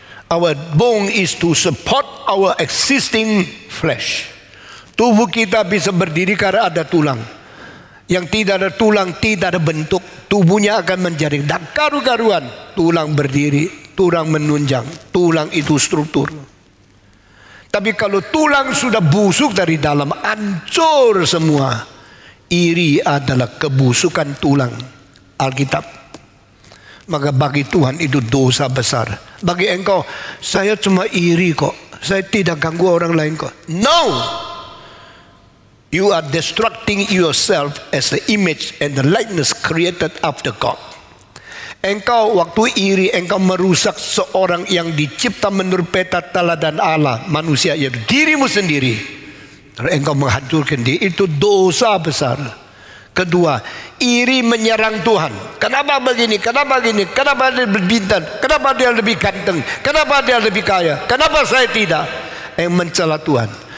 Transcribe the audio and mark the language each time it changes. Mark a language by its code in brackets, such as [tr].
[en] Our bone is to support our existing flesh. [id] Tubuh kita bisa berdiri karena ada tulang. Yang tidak ada tulang, tidak ada bentuk, tubuhnya akan menjadi tidak karu-karuan. Tulang berdiri, tulang menunjang, tulang itu struktur. Tapi kalau tulang sudah busuk dari dalam, hancur semua. Iri adalah kebusukan tulang. Alkitab maka bagi Tuhan itu dosa besar. Bagi engkau, saya cuma iri kok, saya tidak ganggu orang lain kok. [en] No! You are destructing yourself as the image and the likeness created after God. [id] Engkau waktu iri, engkau merusak seorang yang dicipta menurut peta teladan Allah, manusia, yaitu dirimu sendiri. Dan engkau menghancurkan dia, itu dosa besar. Kedua, iri menyerang Tuhan. Kenapa begini, kenapa begini, kenapa dia lebih bintang, kenapa dia lebih ganteng, kenapa dia lebih kaya, kenapa saya tidak. Yang mencela Tuhan.